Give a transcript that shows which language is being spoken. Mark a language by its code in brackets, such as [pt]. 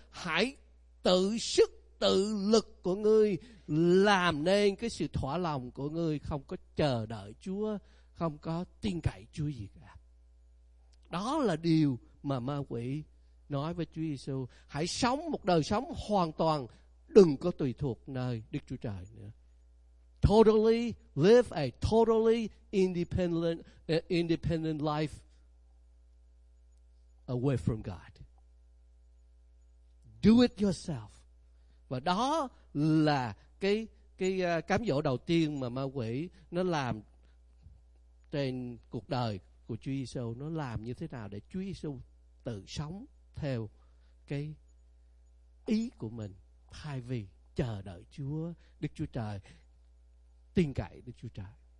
[vi] Hãy tự sức tự lực của ngươi làm nên cái sự thỏa lòng của ngươi, không có chờ đợi Chúa, không có tin cậy Chúa gì cả. Đó là điều mà ma quỷ nói với Chúa Giêsu. Hãy sống một đời sống hoàn toàn đừng có tùy thuộc nơi Đức Chúa Trời nữa. [en] Totally live a totally independent life away from God. Do it yourself. [vi] Và đó là cái cám dỗ đầu tiên mà ma quỷ nó làm trên cuộc đời của Chúa Giêsu. Nó làm như thế nào để Chúa Giêsu tự sống theo cái ý của mình, thay vì chờ đợi Chúa, Đức Chúa Trời, tin cậy Đức Chúa Trời.